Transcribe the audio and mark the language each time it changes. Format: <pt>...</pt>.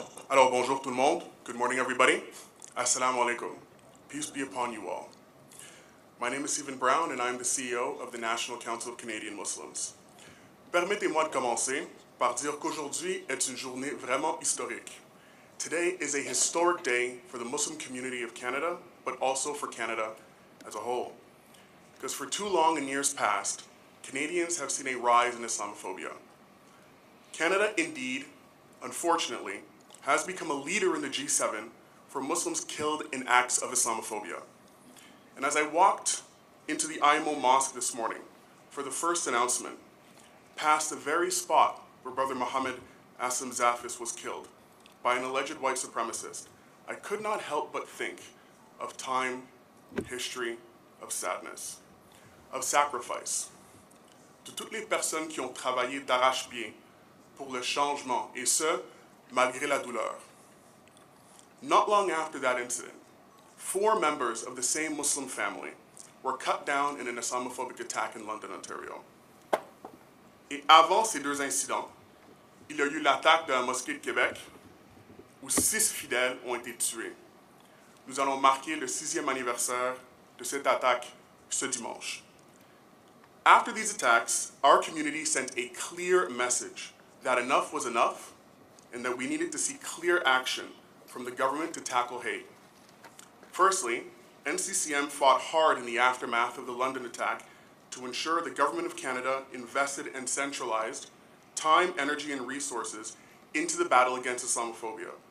<fr>Alors, bonjour tout le monde.</fr> <en>Good morning, everybody.</en> <fr>Assalamu alaikum.</fr> <en>Peace be upon you all. My name is Stephen Brown, and I am the CEO of the National Council of Canadian Muslims.</en> <fr>Permettez-moi de commencer par dire qu'aujourd'hui est une journée vraiment historique.</fr> <en>Today is a historic day for the Muslim community of Canada, but also for Canada as a whole. Because for too long in years past, Canadians have seen a rise in Islamophobia. Canada, indeed, unfortunately, has become a leader in the G7 for Muslims killed in acts of Islamophobia. And as I walked into the IMO Mosque this morning for the first announcement, past the very spot where Brother Muhammad Aslam Zafis was killed by an alleged white supremacist, I could not help but think of time, history, of sadness, of sacrifice.</en> <fr>De toutes les personnes qui ont travaillé d'arrache-pied pour le changement, et ce, malgré la douleur.</fr> <en>Not long after that incident, four members of the same Muslim family were cut down in an Islamophobic attack in London, Ontario.</en> <fr>Et avant ces deux incidents, il y a eu l'attaque de la mosquée de Québec où six fidèles ont été tués. Nous allons marquer le sixième anniversaire de cette attaque ce dimanche.</fr> <en>After these attacks, our community sent a clear message that enough was enough and that we needed to see clear action from the government to tackle hate. Firstly, NCCM fought hard in the aftermath of the London attack to ensure the government of Canada invested and centralized time, energy, and resources into the battle against Islamophobia.</en>